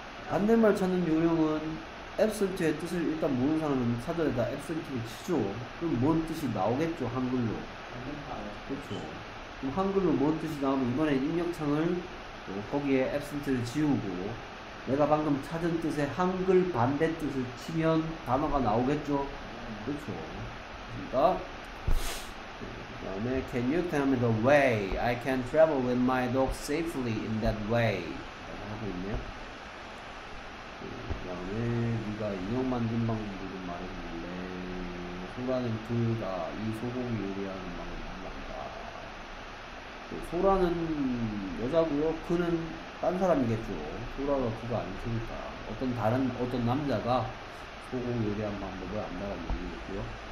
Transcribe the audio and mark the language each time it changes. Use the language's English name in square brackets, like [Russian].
[Korean] 반대말 찾는 요령은 absent의 뜻을 일단 모르는 사람은 사전에다 absent를 치죠. 그럼 뭔 뜻이 나오겠죠, 한글로. 그렇죠. 그럼 한글로 뭔 뜻이 나오면 이번에 입력창을 거기에 absent를 지우고 내가 방금 찾은 뜻의 한글 반대 뜻을 치면 단어가 나오겠죠. 그렇죠. 그러니까 다음에 [English] Can you tell me the way I can travel with my dog safely in that way? [Korean] 라고 하고 있네요. 그다음에 네가 인형 만든 방법을 좀 말해줄래? 소라는 둘다이 소고기 요리하는 방법을 말한다. 소라는 여자고요. 그는 딴 사람이겠죠. 소라가 그거 아니니까 어떤 남자가 소고기 요리하는 방법을 안다는 얘기겠고요.